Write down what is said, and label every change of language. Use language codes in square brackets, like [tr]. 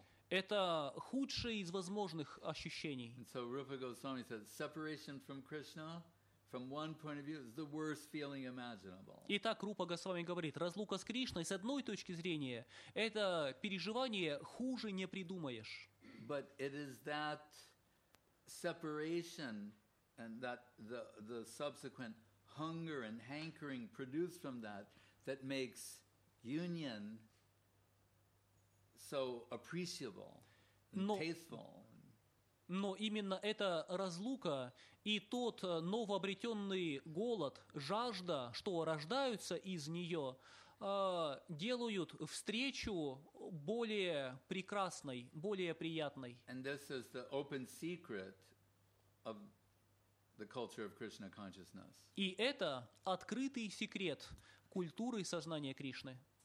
[ru] Это худшее из возможных ощущений. [en] And so Rupa Goswami said, separation from Krishna, from one point of view, is the worst feeling imaginable. [ru] Итак, Рупа Госвами говорит, разлука с Кришной с одной точки зрения, это переживание хуже не придумаешь. [en] But it is that separation and that the subsequent hunger and hankering produced from that that makes union so appreciable and tasteful. [ru] Но именно эта разлука и тот новообретенный голод, жажда, что рождаются из нее, делают встречу более прекрасной, более приятной. [en] And this is the open secret of the culture of Krishna consciousness. [ru] И это открытый секрет культуры сознания Кришны.